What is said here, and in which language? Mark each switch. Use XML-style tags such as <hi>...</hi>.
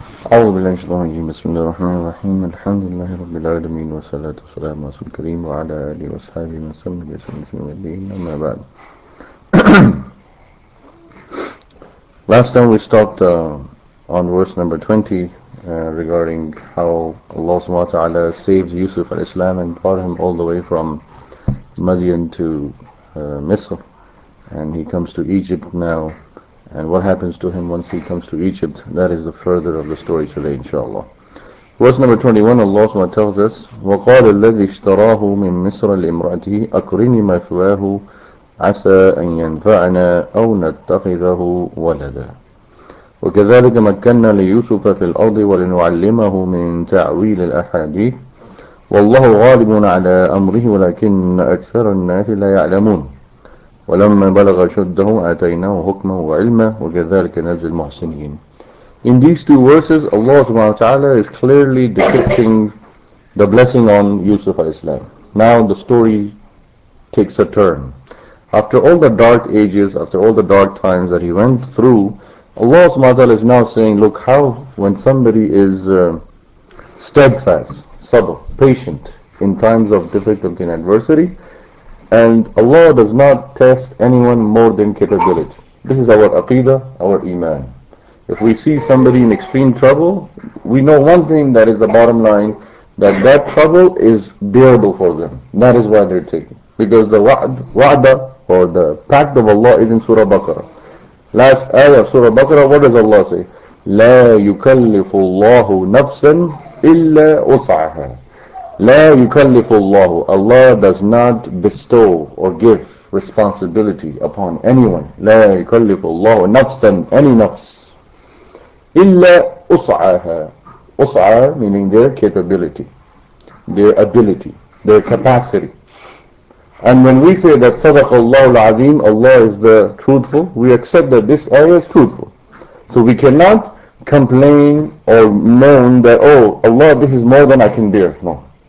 <ar>أعوذ بالله من الشيطان الرجيم، بسم الله الرحمن الرحيم، الحمد لله رب العالمين، والصلاة والسلام على رسول الكريم وعلى آله وصحبه من سلم بإحسان إلى يوم الدين، أما بعد.</ar> <en>Last time we stopped on verse number 20 regarding how Allah subhanahu wa ta'ala saved Yusuf al-Islam and brought him all the way from Madian to Misr, and he comes to Egypt now. And what happens to him once he comes to Egypt, that is the further of the story today, inshallah. Verse number 21, Allah SWT tells us,</en> <ar>وَقَالَ الَّذِي اشْتَرَاهُ مِن مِصْرَ لِإِمْرَأَتِهِ أَكْرِنِي مَثْوَاهُ عَسَىٰ أَن يَنْفَعَنَا أَوْ نَتَّخِذَهُ وَلَدًا وَكَذَلِكَ مَكَّنَّا لِيُوسُفَ فِي الْأَرْضِ وَلِنُعَلِّمَهُ مِن تَعْوِيلِ الْأَحَادِيثِ وَاللَّهُ غَالِبٌ عَلَىٰ أَمْرِهِ وَلَكِنَّ أَكْثَرَ النَّاسِ لَا يَعْلَمُونَ ولما بلغ شده آتيناه حكما وعلما وكذلك نجزي المحسنين.</ar> <en>In these two verses, Allah subhanahu wa ta'ala is clearly depicting the blessing on Yusuf al-Islam. Now the story takes a turn. After all the dark ages, after all the dark times that he went through, Allah subhanahu wa ta'ala is now saying, look how when somebody is steadfast, sabr, patient in times of difficulty and adversity, and Allah does not test anyone more than capability. This is our aqidah, our iman. If we see somebody in extreme trouble, we know one thing, that is the bottom line, that trouble is bearable for them. That is why they're taking. Because the wa'da, or the pact of Allah, is in Surah Baqarah. Last ayah of Surah Baqarah, what does Allah say?</en> <ar>La yukallifu Allahu nafsan illa usaha. لا يكلف الله.</ar> <en>Allah does not bestow or give responsibility upon anyone.</en> <ar>لا يكلف الله نفسا, any nafs. إلا أصعها.</ar> <en>أصع meaning their capability, their ability, their capacity. And when we say that</en> <ar>صدق الله العظيم,</ar> <en>Allah is the truthful, we accept that this ayah is truthful. So we cannot complain or moan that, oh Allah, this is more than I can bear. No.</en>